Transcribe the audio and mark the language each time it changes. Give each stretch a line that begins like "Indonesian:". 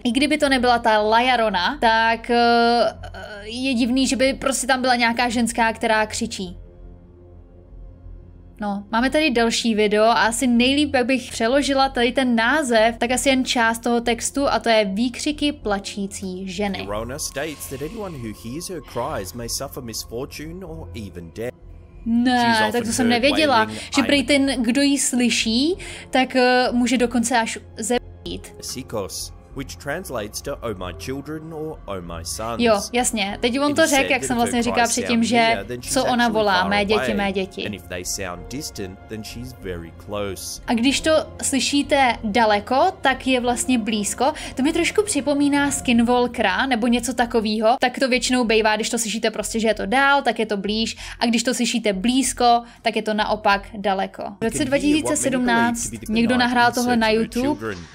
Czech: I kdyby to nebyla ta Lajarona, tak je divný, že by prostě tam byla nějaká ženská, která křičí. No, máme tady další video a asi nejlíp, jak bych přeložila tady ten název, tak asi jen část toho textu, a to je výkřiky plačící ženy.
English: Lajarona states that anyone who hears her cries may suffer misfortune or even death.
Czech: Ne, tak to jsem nevěděla, že prý ten, kdo ji slyší, tak může dokonce až zemřít.
English: Which translates to oh my children or oh my sons.
Czech: Jo, jasně. Teď on to řekl, jak jsem vlastně říkal předtím, že co ona volá, mé děti, mé děti.
English: And if they sound distant, then she's very close.
Czech: A když to slyšíte daleko, tak je vlastně blízko. To mi trošku připomíná Skinwalkera nebo něco takového. Tak to většinou bývá, když to slyšíte prostě, že je to dál, tak je to blíž, a když to slyšíte blízko, tak je to naopak daleko. V roce 2017 někdo nahrál tohle na YouTube.